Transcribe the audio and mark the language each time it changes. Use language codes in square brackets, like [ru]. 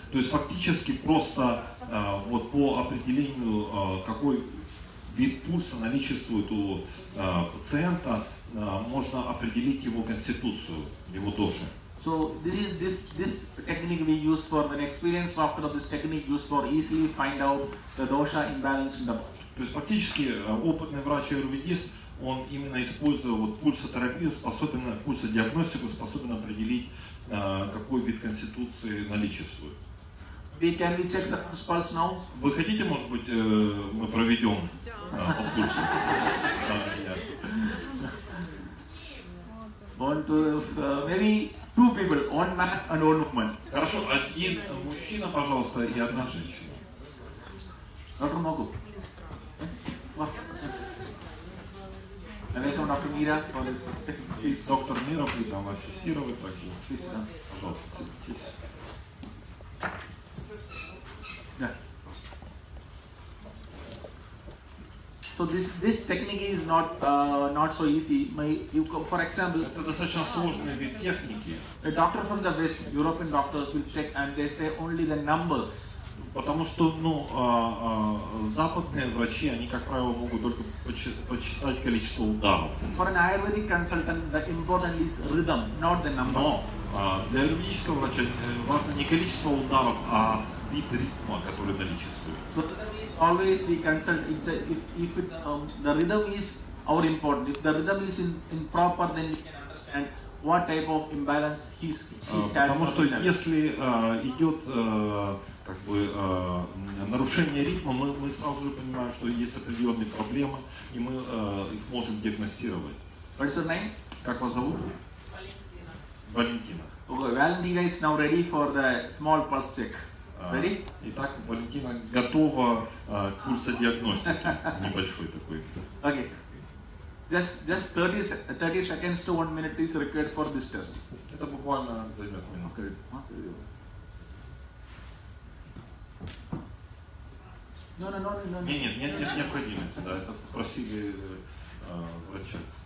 [ru] То есть фактически просто вот по определению какой вид пульса наличествует у пациента. Можно определить его конституцию, его доши. [en] So this technique we use for when experienced doctor of this technique use for easily find out the dosha imbalance in the body. [ru] То есть фактически опытный врач аюрведист, он именно используя вот пульсотерапию, способен пульсодиагностику, способен определить какой вид конституции наличествует. [en] Can we check some pulse now? [ru] Вы хотите, может быть, мы проведем по пульсу? [en] One, two, maybe two people, one man and one woman. [ru] Хорошо, один мужчина, пожалуйста, и одна женщина. Доктор Могу. [en] Welcome, Dr. Mira, for this session. [ru] Доктор Мира будет нам ассистировать также. Пожалуйста, садитесь. [en] So this technique is not so easy. For example, [ru] это достаточно сложный вид техники. [en] A doctor from the West, European doctors will check and they say only the numbers. [ru] Потому что, ну, западные врачи, они как правило могут только подсчитать количество ударов. [en] For an Ayurvedic consultant, the important is rhythm, not the number. [ru] Но для аюрведического врача важно не количество ударов, а вид ритма, который наличествует. [en] So always we consult if the rhythm is our important. If the rhythm is improper, then we can understand what type of imbalance he's having. [ru] Потому что если идет как бы нарушение ритма, мы сразу же понимаем, что есть определенные проблемы, и мы их можем диагностировать. [en] What's your name? [ru] Как вас зовут? Валентина. [en] Okay, Valentina is now ready for the small pulse check. Ready? [ru] Итак, Валентина готова к курсу диагностики. Небольшой такой. [en] Okay. Just 30 seconds to 1 minute is required for this test. [ru] Это буквально займет минуту. Нет, необходимости, да, это просили врача.